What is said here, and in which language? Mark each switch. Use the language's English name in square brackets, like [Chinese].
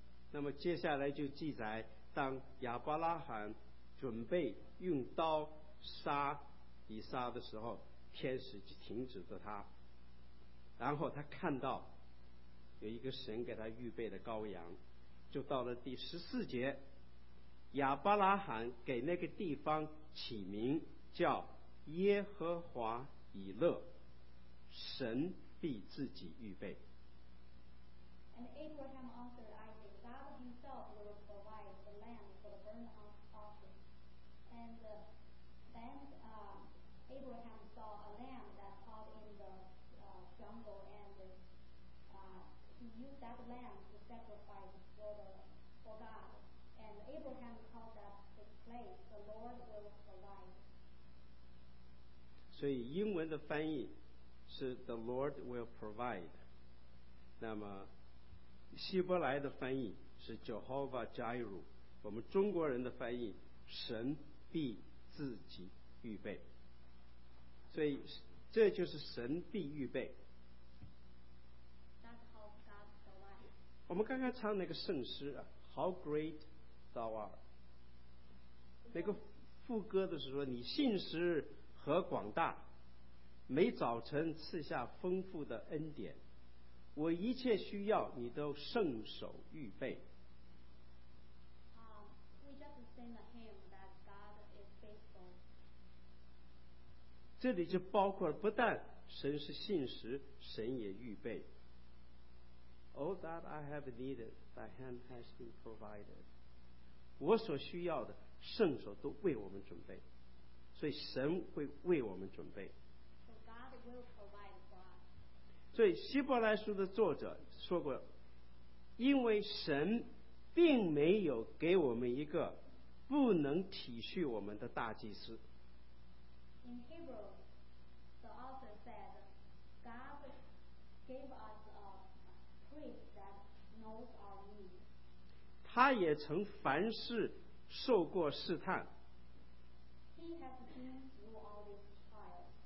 [Chinese] 那么接下来就记载，当亚伯拉罕准备用刀杀以撒的时候，天使就停止着他，然后他看到有一个神给他预备的羔羊。就到了第十四节，亚伯拉罕给那个地方起名叫耶和华以勒，神必自己预备。 [English] And Abraham answered Isaac, God himself will provide the lamb for the burnt offering. And then Abraham saw a lamb that caught in the jungle, and he used that lamb to sacrifice for God. And Abraham called that his place, the Lord will provide. [Chinese] 所以英文的翻译是 [English] the Lord will provide. [Chinese] 那么希伯来的翻译是 Jehovah Jireh， 我们中国人的翻译神必自己预备，所以这就是神必预备。 [English] That's how God provides. [Chinese] 我们刚刚唱那个圣诗啊， [English] How great thou art， [Chinese] 那个副歌的是说你信实和广大，每早晨赐下丰富的恩典，我一切需要你都圣手预备。 [English] We just sing a hymn that God is faithful. [Chinese] 这里就包括不但神是信实，神也预备。 [English] All that I have needed, thy hand has been provided. [Chinese] 我所需要的，圣手都为我们准备，所以神会为我们准备。 [English] So God will provide. [Chinese] 所以希伯来书的作者说过，因为神并没有给我们一个不能体恤我们的大祭司。 [English] In Hebrew, the author said, God gave us a priest that knows our need. [Chinese] 他也曾凡事受过试探。 [English] He has been through all these trials.